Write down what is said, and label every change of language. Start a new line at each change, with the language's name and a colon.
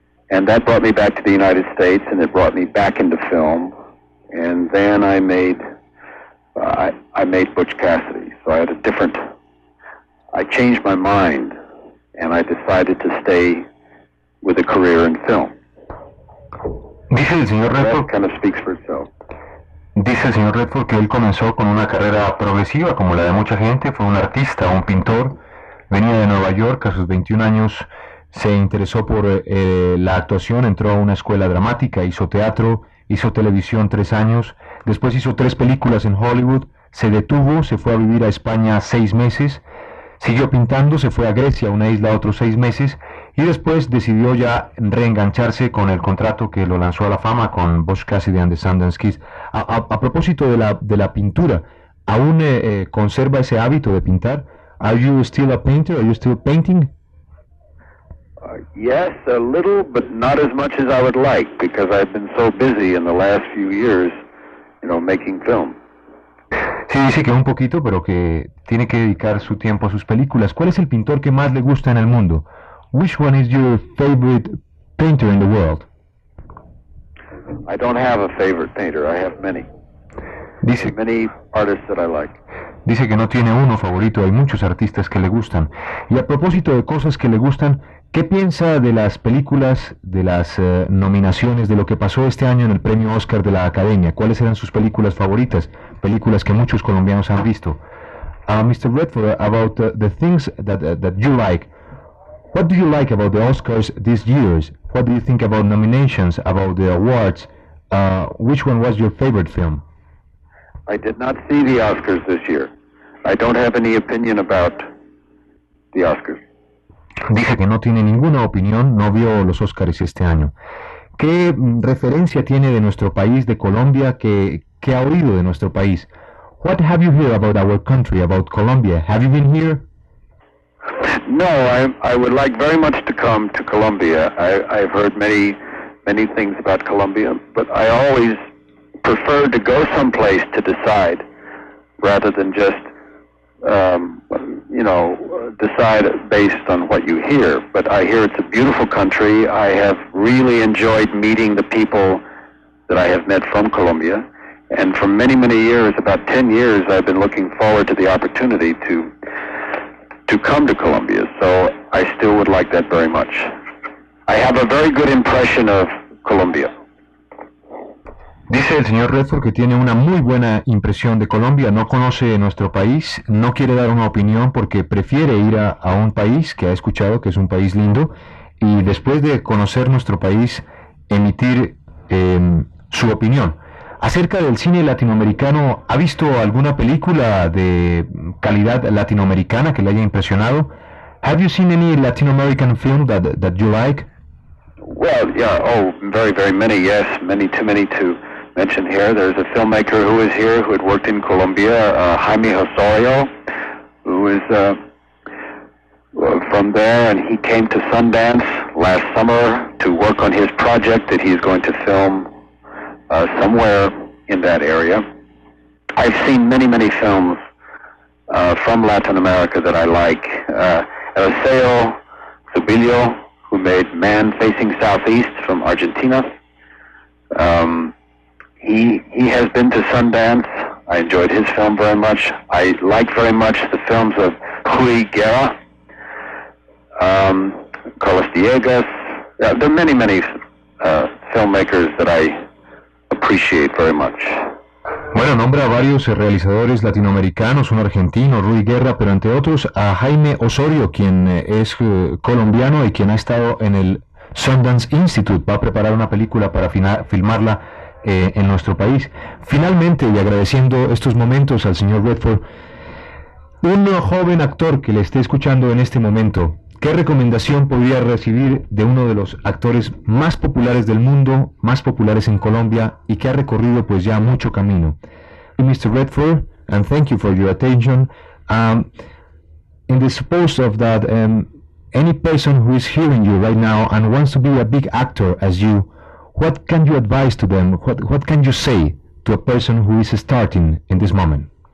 English: And that brought me back to the United States, and it brought me back into film. And then I made Butch Cassidy. So I had I changed my mind, and I decided to stay with a career in film.
Spanish: Dice el señor Redford,
English: that kind of speaks for itself.
Spanish: Dice el señor Redford que él comenzó con una carrera progresiva como la de mucha gente, fue un artista, un pintor, venía de Nueva York, a sus 21 años se interesó por la actuación, entró a una escuela dramática, hizo teatro, hizo televisión 3 años, después hizo 3 películas en Hollywood, se detuvo, se fue a vivir a España 6 meses, siguió pintando, se fue a Grecia, una isla, otros 6 meses, y después decidió ya reengancharse con el contrato que lo lanzó a la fama con Butch Cassidy and the Sundance Kid. A propósito de la pintura, ¿aún conserva ese hábito de pintar?
English: Are you still a painter? Are you still painting? Yes, a little, but not as much as I would like, because I've been so busy in the last few years, you know, making film.
Spanish: Sí, dice que un poquito, pero que tiene que dedicar su tiempo a sus películas. ¿Cuál es el pintor que más le gusta en el mundo?
English: Which one is your favorite painter in the world? I don't have a favorite painter. I have many.
Spanish: Dice,
English: many artists that I like.
Spanish: Dice que no tiene uno favorito. Hay muchos artistas que le gustan. Y a propósito de cosas que le gustan, ¿qué piensa de las películas, de las nominaciones, de lo que pasó este año en el premio Oscar de la Academia? ¿Cuáles eran sus películas favoritas? Películas que muchos colombianos han visto. Mr.
English: Redford, about the things that you like. What do you like about the Oscars this year? What do you think about nominations, about the awards? Which one was your favorite film? I did not see the Oscars this year. I don't have any opinion about the Oscars.
Spanish: Dice que no tiene ninguna opinión, no vio los Óscares este año. ¿Qué referencia tiene de nuestro país, de Colombia, que ha oído de nuestro país?
English: What have you heard about our country, about Colombia? Have you been here? No, I would like very much to come to Colombia. I've heard many, many things about Colombia, but I always prefer to go someplace to decide rather than just decide based on what you hear. But I hear it's a beautiful country. I have really enjoyed meeting the people that I have met from Colombia. And for many, many years, about 10 years, I've been looking forward to the opportunity to come to Colombia. So I still would like that very much. I have a very good impression of Colombia.
Spanish: Dice el señor Redford que tiene una muy buena impresión de Colombia, no conoce nuestro país, no quiere dar una opinión porque prefiere ir a un país que ha escuchado que es un país lindo y después de conocer nuestro país, emitir su opinión. Acerca del cine latinoamericano, ¿ha visto alguna película de calidad latinoamericana que le haya impresionado?
English: Have you seen any Latin American film that you like? Well, yeah, oh, very, very many, yes, many, too many to mention here. There's a filmmaker who is here who had worked in Colombia, Jaime Osorio, who is from there, and he came to Sundance last summer to work on his project that he's going to film somewhere in that area. I've seen many, many films from Latin America that I like. Eliseo Zubillo, who made Man Facing Southeast from Argentina. He has been to Sundance. I enjoyed his film very much. I like very much the films of Rui Guerra, Carlos Diegas. There are many, many filmmakers that I appreciate very much.
Spanish: Bueno, nombra a varios realizadores latinoamericanos, un argentino, Rui Guerra, pero entre otros a Jaime Osorio, quien es colombiano y quien ha estado en el Sundance Institute, va a preparar una película para filmarla en nuestro país. Finalmente, y agradeciendo estos momentos al señor Redford, un joven actor que le esté escuchando en este momento, ¿qué recomendación podría recibir de uno de los actores más populares del mundo, más populares en Colombia y que ha recorrido pues ya mucho camino?
English: Mr. Redford, and thank you for your attention. In the suppose of that, any person who is hearing you right now and wants to be a big actor as you, what can you advise to them? What can you say to a person who is starting in this moment?